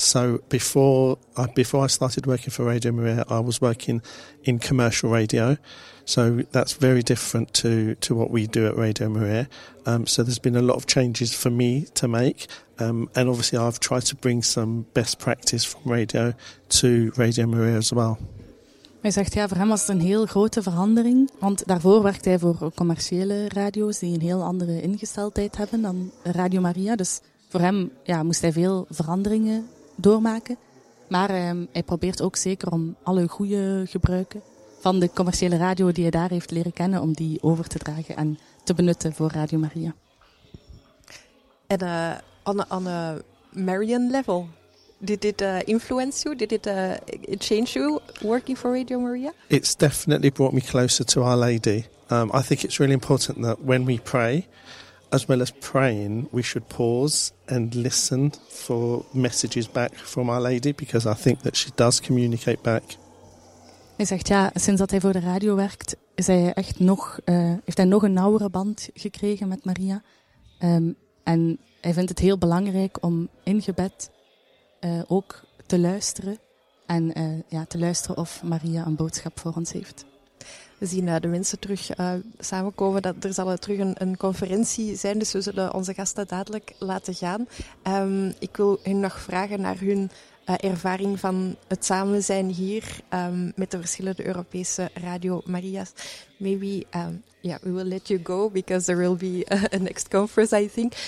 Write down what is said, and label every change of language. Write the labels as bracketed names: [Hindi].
[English] So before I started working for Radio Maria, I was working in commercial radio. So that's very different to what we do at Radio Maria. So there's been a lot of changes for me to make. And obviously I've tried to bring some best practice from radio to Radio Maria as well. [Dutch] Hij zegt, ja, voor hem was het een heel grote verandering. Want daarvoor werkte hij voor commerciële radio's die een heel andere ingesteldheid hebben dan Radio Maria. Dus voor hem, ja, moest hij veel veranderingen doormaken. Maar hij probeert ook zeker om alle goede gebruiken van de commerciële radio die hij daar heeft leren kennen, om die over te dragen en te benutten voor Radio Maria. [English] En on a Marian level, did it influence you? Did it change you working for Radio Maria? It's definitely brought me closer to Our Lady. I think it's really important that when we pray, as well as praying, we should pause and listen for messages back from Our Lady, because I think that she does communicate back. [Dutch] Hij zegt, ja, sinds dat hij voor de radio werkt, is hij echt nog, heeft hij nog een nauwere band gekregen met Maria. En hij vindt het heel belangrijk om in gebed ook te luisteren. En ja, te luisteren of Maria een boodschap voor ons heeft. We zien de mensen terug samenkomen. Dat er zal terug een conferentie zijn, dus we zullen onze gasten dadelijk laten gaan. Ik wil hun nog vragen naar hun ervaring van het samen zijn hier met de verschillende Europese Radio Maria's. [English] Maybe we will let you go because there will be a next conference, I think.